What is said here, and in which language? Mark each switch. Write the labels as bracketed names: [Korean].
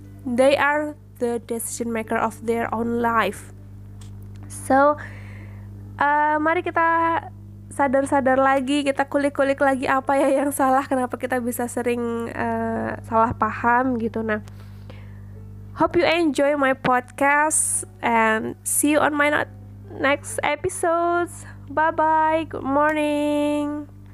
[English] They are the decision maker of their own life. [Indonesian] So mari kita sadar-sadar lagi, kita kulik-kulik lagi apa ya yang salah, kenapa kita bisa sering salah paham gitu. [English] Nah, hope you enjoy my podcast and see you on my next episodes. Bye-bye, good morning.